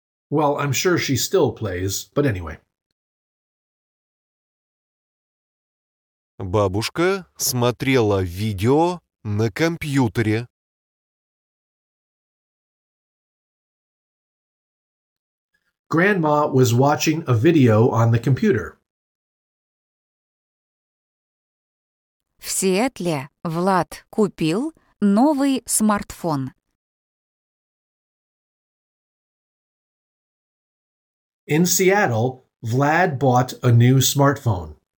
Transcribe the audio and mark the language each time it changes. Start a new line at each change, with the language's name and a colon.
English: Well, I'm sure she still plays, but anyway.
Russian: Бабушка смотрела видео на компьютере.
English: Grandma was watching a video on the computer.
Russian: В Сиэтле Влад купил новый смартфон.
English: In Seattle, Vlad bought a new smartphone.